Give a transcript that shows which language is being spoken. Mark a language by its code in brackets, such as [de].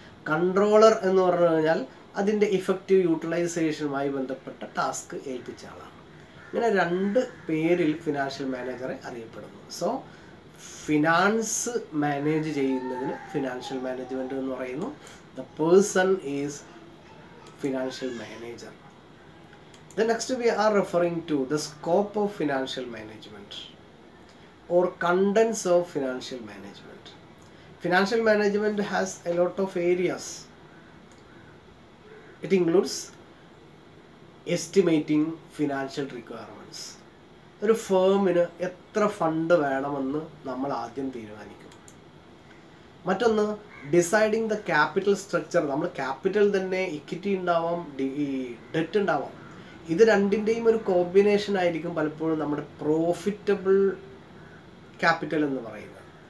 [ml] Controller എന്ന് പറഞ്ഞു കഴിഞ്ഞാൽ അതിൻ്റെ ഇഫക്റ്റീവ് യൂട്ടിലൈസേഷനുമായി ബന്ധപ്പെട്ട ടാസ്ക് ഏൽപ്പിച്ച ആളാണ്. ഇങ്ങനെ രണ്ട് പേരിൽ ഫിനാൻഷ്യൽ മാനേജറെ അറിയപ്പെടുന്നു. സോ ഫിനാൻസ് മാനേജ് ചെയ്യുന്നതിന് ഫിനാൻഷ്യൽ മാനേജ്മെൻറ്റ് എന്ന് പറയുന്നു. [en] The person is financial manager. The next we are referring to the scope of financial management or contents of financial management. Financial management has a lot of areas. It includes estimating financial requirements. [ml] ഒരു ഫേമിന് എത്ര fund വേണമെന്ന് നമ്മൾ ആദ്യം തീരുമാനിക്കും. മറ്റൊന്ന് [en] Deciding the capital structure. [ml] നമ്മൾ capital തന്നെ equity ഉണ്ടാവാം, ഡെറ്റ് ഉണ്ടാവാം. ഇത് രണ്ടിൻ്റെയും ഒരു കോമ്പിനേഷൻ ആയിരിക്കും പലപ്പോഴും നമ്മുടെ പ്രോഫിറ്റബിൾ ക്യാപിറ്റൽ എന്ന് പറയുന്നത്.